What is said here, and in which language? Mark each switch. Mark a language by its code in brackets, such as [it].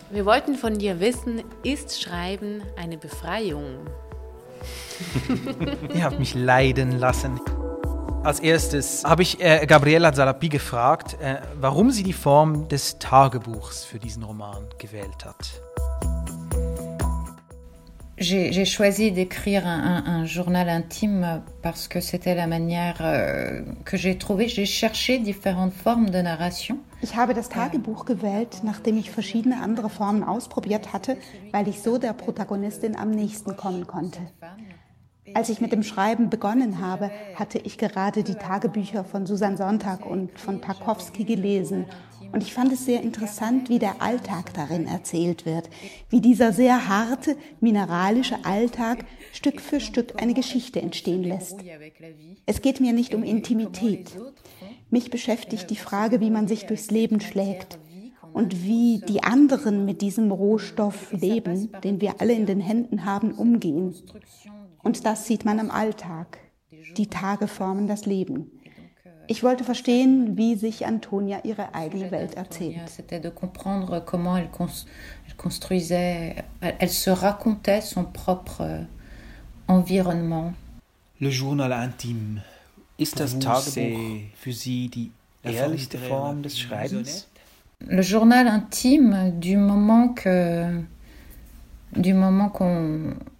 [de] Wir wollten von dir wissen, ist Schreiben eine Befreiung? Ihr habt mich leiden lassen. Als erstes habe ich Gabriela Salapi gefragt, warum sie die Form des Tagebuchs für diesen Roman gewählt hat. [fr] J'ai choisi d'écrire un journal intime parce que c'était la manière que j'ai trouvé. J'ai cherché différentes formes de narration. [de] Ich habe das Tagebuch gewählt, nachdem ich verschiedene andere Formen ausprobiert hatte, weil ich so der Protagonistin am nächsten kommen konnte. Als ich mit dem Schreiben begonnen habe, hatte ich gerade die Tagebücher von Susan Sontag und von Tarkowski gelesen. Und ich fand es sehr interessant, wie der Alltag darin erzählt wird, wie dieser sehr harte, mineralische Alltag Stück für Stück eine Geschichte entstehen lässt. Es geht mir nicht um Intimität. Mich beschäftigt die Frage, wie man sich durchs Leben schlägt und wie die anderen mit diesem Rohstoff Leben, den wir alle in den Händen haben, umgehen. Und das sieht man im Alltag. Die Tage formen das Leben. Ich wollte verstehen, wie sich Antonia ihre eigene Welt erzählt. [fr] C'était de comprendre comment elle construisait, elle se racontait son propre environnement. Le journal intime. [de] Ist das Tagebuch für Sie die ehrlichste Form des Schreibens? [fr] Le journal intime du moment que du moment qu'on